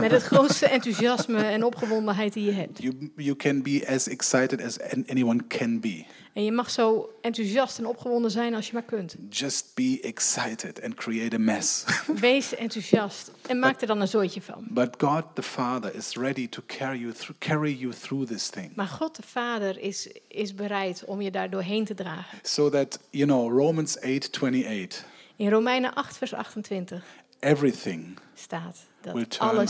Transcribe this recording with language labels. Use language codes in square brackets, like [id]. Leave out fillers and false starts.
[nl] Met het grootste enthousiasme en opgewondenheid die je hebt. [en] You can be as excited as anyone can be. [nl] En je mag zo enthousiast en opgewonden zijn als je maar kunt. [en] Just be excited and create a mess. [nl] Wees enthousiast en maak er dan een zooitje van. [en] But God the Father is ready to carry you through this thing. [nl] Maar God de Vader is bereid om je daar doorheen te dragen. [en] So that, you know, Romans 8:28. [nl] In Romeinen 8 vers 28. [en] Everything [nl] staat dat [en] will turn [nl] alles